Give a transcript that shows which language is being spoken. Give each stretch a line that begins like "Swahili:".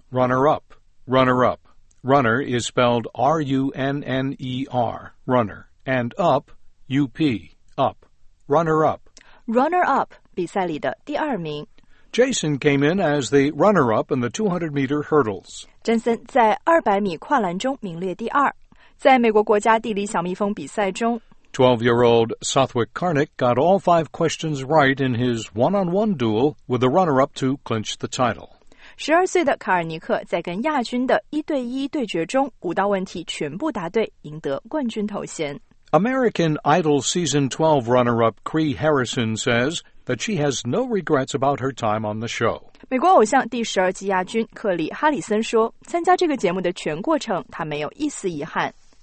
English: runner-up, runner-up. Runner is spelled R-U-N-N-E-R, runner, and up, U-P, up, runner-up.
Chinese: Runner-up, 比赛里的第二名。
English: Jason came in as the runner-up in the 200-meter hurdles.
Chinese: Jason 在200米跨栏中名列第二。在美国国家地理小蜜蜂比赛中
English: 12-year-old Southwick Karnick got all five questions right in his one-on-one duel with the runner-up to clinch the title.
Chinese: 12岁的卡尔尼克在跟亚军的一对一对决中五道问题全部答对，赢得冠军头衔。
English: American Idol Season 12 runner-up Cree Harrison says that she has no regrets about her time on the show.
Chinese: 美国偶像第十二季亚军克里·哈里森说，参加这个节目的全过程她没有一丝遗憾。